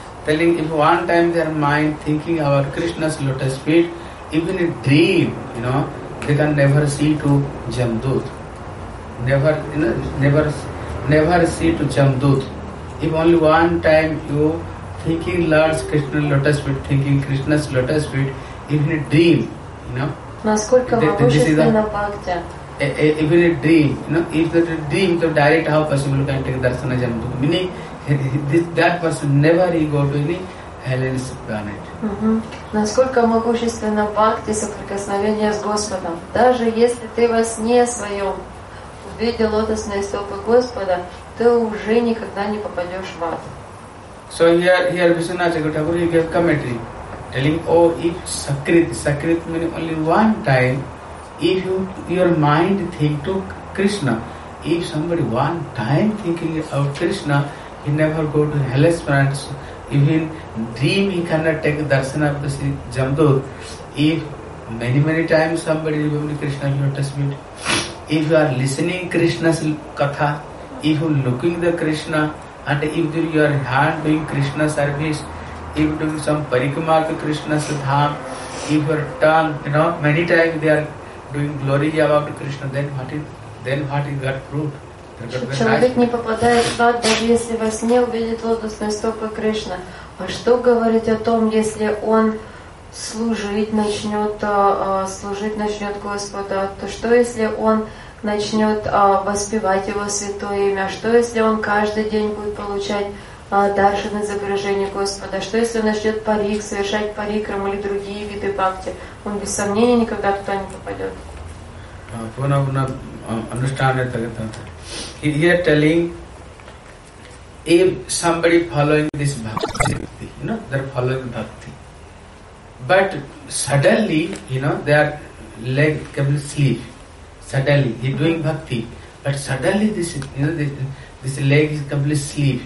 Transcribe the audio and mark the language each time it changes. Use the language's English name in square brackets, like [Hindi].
[English] Telling if one time their mind thinking about Krishna's lotus feet, even a dream, you know, they can never see to jamdut. Never, you know, never see to jamdut. If only one time you thinking Lord's Krishna lotus feet, thinking Krishna's lotus feet, even a dream, you know. [Russian] Насколько могущественна бхакти? [English] Even a dream, you know, if that dream, so direct how possible can take darshana jamdut. Meaning, that person never he go to any hellish planet. [Russian] Насколько могущественна бхакти, соприкосновение с Господом. Даже если ты во сне своем, в виде лотосной стопы Господа, ты уже никогда не попадешь в ад. [English] So here Vishwanatha Chakra Thakur gave commentary, telling, oh, if sakrit, sakrit means only one time, if your mind think to Krishna, if somebody one time thinking of Krishna, he never go to hellish planets. Even dream he cannot take darshan of the Sri Jamdut. If many times somebody remember Krishna in your testament, if you are listening Krishna's katha, if you looking the Krishna, and if your hand doing Krishna service, if doing some parikrama to Krishna's dham, if your tongue, you know, many times they are doing glory about Krishna, then what is that proof? [Russian] Человек не попадает в ад, даже если во сне увидит лотосные стопы Кришны. А что говорить о том, если он служить начнет Господа? То что если он начнет воспевать Его святое имя? Что если он каждый день будет получать даршан изображение Господа? Что если он начнет совершать парикрам или другие виды бхакти? Он без сомнения никогда туда не попадет. [English] He is telling if somebody following this bhakti, you know, they are following bhakti. But suddenly, you know, they are leg coming sleep. Suddenly, he is doing bhakti. But suddenly this leg is completely sleep.